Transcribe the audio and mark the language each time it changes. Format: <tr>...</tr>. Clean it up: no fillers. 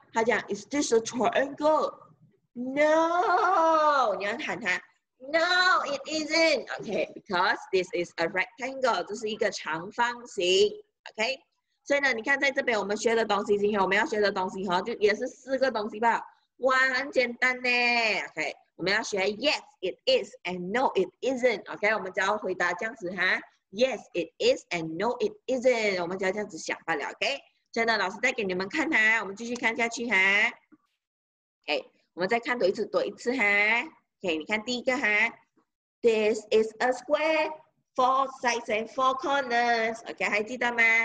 <zh>他讲</zh> <en>Is this a triangle？ No,</en> <zh>你要喊他。</zh> <en>No, it isn't. Okay, because this is a rectangle.</en> <zh>这是一个长方形。 Okay, 所以呢，你看在这边我们学的东西，今天我们要学的东西哈，就也是四个东西吧。哇，很简单呢。</zh> <en>Okay,</en> <zh>我们要学</zh> <en>Yes, it is, and No, it isn't. Okay,</en> <zh>我们只要回答这样子哈。</zh> <en>Yes, it is, and No, it isn't.</en> <zh>我们只要这样子想罢了。Okay, 所以呢，老师再给你们看哈，我们继续看下去哈。</zh> <en>Okay.</en> <zh>我们再看多一次，多一次哈。</zh> <en>OK，</en> <zh>你看第一个哈</zh> <en>，This is a square, four sides and four corners. OK，</en> <zh>还记得吗？</zh>